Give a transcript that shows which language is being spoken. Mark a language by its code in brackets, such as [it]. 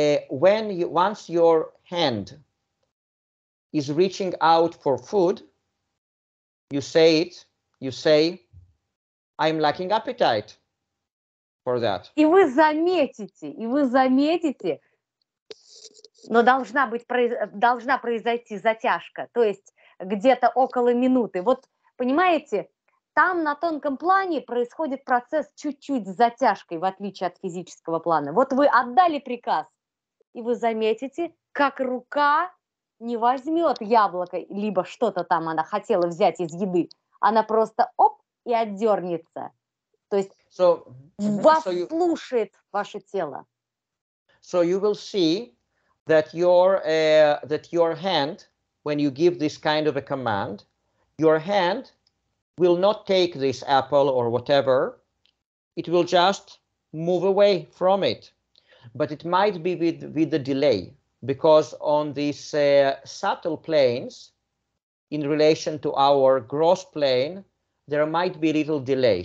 [en] Once your hand is reaching out for food, you say, I'm lacking appetite for that. [ru] И вы заметите, но должна произойти затяжка, то есть где-то около минуты. Вот понимаете? Там на тонком плане происходит процесс чуть-чуть с затяжкой, в отличие от физического плана. Вот вы отдали приказ, и вы заметите, как рука не возьмет яблоко, либо что-то там она хотела взять из еды. Она просто оп, и отдернется. То есть слушает ваше тело. [en] So you will see that your hand, when you give this kind of a command, your hand will not take this apple or whatever it will just move away from it. But it might be with the delay, because on these subtle planes, in relation to our gross plane, there might be a little delay.